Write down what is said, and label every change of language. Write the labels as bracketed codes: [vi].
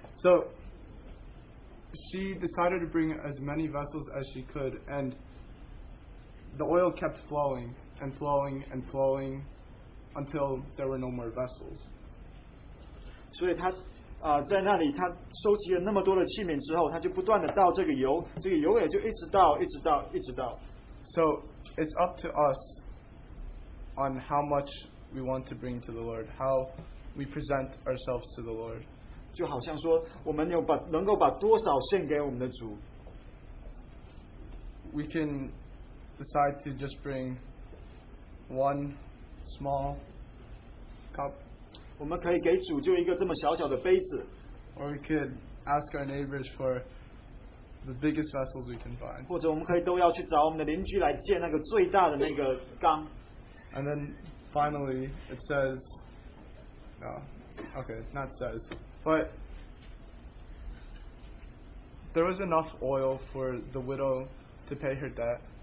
[en] So she decided to bring as many vessels as she could, and the oil kept flowing and flowing and flowing until there were no more vessels. [zh] 所以她 在那里他收集了那么多的器皿之后，他就不断的倒这个油，这个油也就一直倒，一直倒，一直倒。 [en] So it's up to us on how much we want to bring to the Lord, how we present ourselves to the Lord. [zh] 就好像说，我们能够把多少献给我们的主。 [en] We can decide to just bring one small cup. [zh] 我们可以给主就一个这么小小的杯子。 [en] Or we could ask our neighbors for the biggest vessels we can find. [zh] 或者我们可以都要去找我们的邻居来借那个最大的那个缸。 [en] And then finally, it says, no, okay, not says, but there was enough oil for the widow to pay her debt.